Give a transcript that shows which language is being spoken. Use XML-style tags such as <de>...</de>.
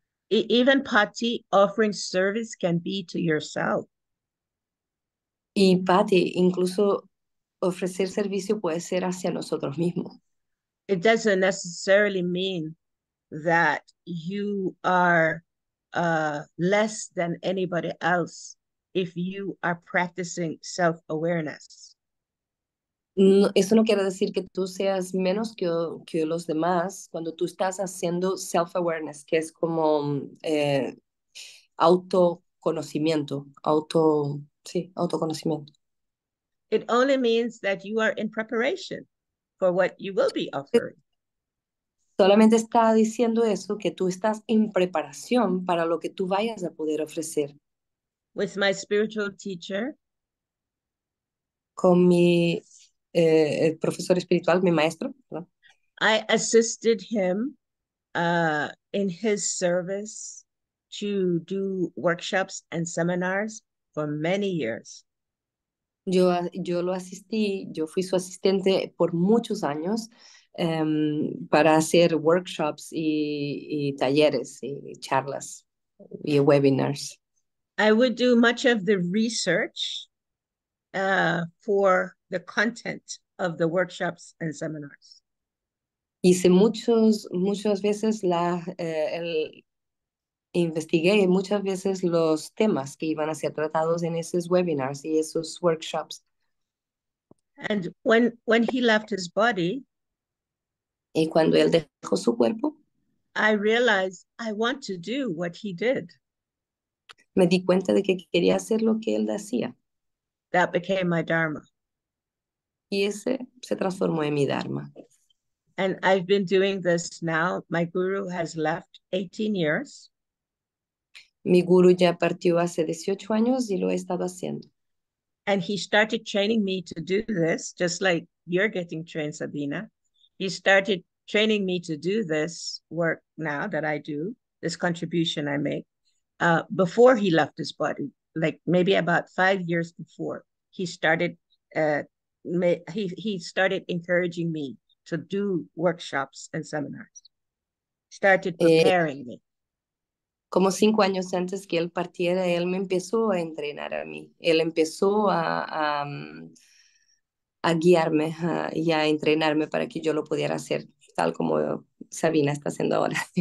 <en>Even Pati, offering service can be to yourself.</en> <es>Y Pati, incluso ofrecer servicio puede ser hacia nosotros mismos.</es> <en>It doesn't necessarily mean that you are less than anybody else if you are practicing self-awareness.</en> <es>No, eso no quiere decir que tú seas menos que los demás cuando tú estás haciendo self-awareness, que es como autoconocimiento, autoconocimiento.</es> <en>It only means that you are in preparation for what you will be offering.</en> <es>Solamente está diciendo eso, que tú estás en preparación para lo que tú vayas a poder ofrecer.</es> <en>With my spiritual teacher.</en> <es>Con mi... el profesor espiritual, mi maestro, ¿no?</es> <en>I assisted him in his service to do workshops and seminars for many years.</en> <es>Yo lo asistí, yo fui su asistente por muchos años para hacer workshops y talleres y charlas y webinars.</es> <en>I would do much of the research for the content of the workshops and seminars.</en> <es>Hice muchas veces investigué muchas veces los temas que iban a ser tratados en esos webinars y esos workshops.</es> <en>And when he left his body,</en> <es>y cuando él dejó su cuerpo,</es> <en>I realized I want to do what he did.</en> <es>Me di cuenta de que quería hacer lo que él hacía.</es> <en>That became my dharma.</en> <es>Y ese se transformó en mi dharma.</es> <en>And I've been doing this now. My guru has left 18 years.</en> <es>Mi guru ya partió hace 18 años y lo he estado haciendo.</es> <en>And he started training me to do this, just like you're getting trained, Sabina. He started training me to do this work now that I do, this contribution I make, before he left his body, like maybe about 5 years before. He started encouraging me to do workshops and seminars. Started preparing me.</en> <es>Como 5 años antes que él partiera, él me empezó a entrenar a mí. Él empezó a guiarme y a entrenarme para que yo lo pudiera hacer tal como Sabina está haciendo ahora.</es>